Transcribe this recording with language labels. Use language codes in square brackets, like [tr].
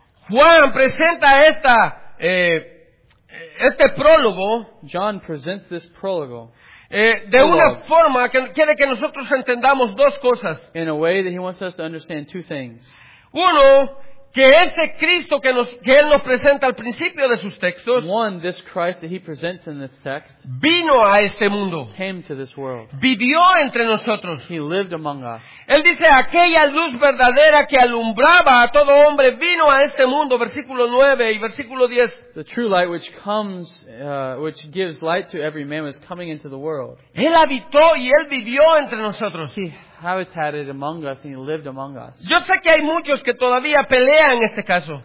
[es] Juan presenta esta este prólogo. [en] John presents this prologue. [es] De una forma que quiere que nosotros entendamos dos cosas. [en] In a way that he wants us to understand two things. [es] Uno, que este Cristo que él nos presenta al principio de sus textos, [en] one, this Christ that he presents in this text, [es] vino a este mundo, [en] came to this world, [es] vivió entre nosotros. [en] He lived among us. [es] Él dice, aquella luz verdadera que alumbraba a todo hombre vino a este mundo, versículo 9 y versículo 10. [en] The true light which comes, which gives light to every man, is coming into the world. [es] Él habitó y él vivió entre nosotros. [en] He habitated among us and he lived among us. [es] Yo sé que hay muchos que todavía pelean este caso.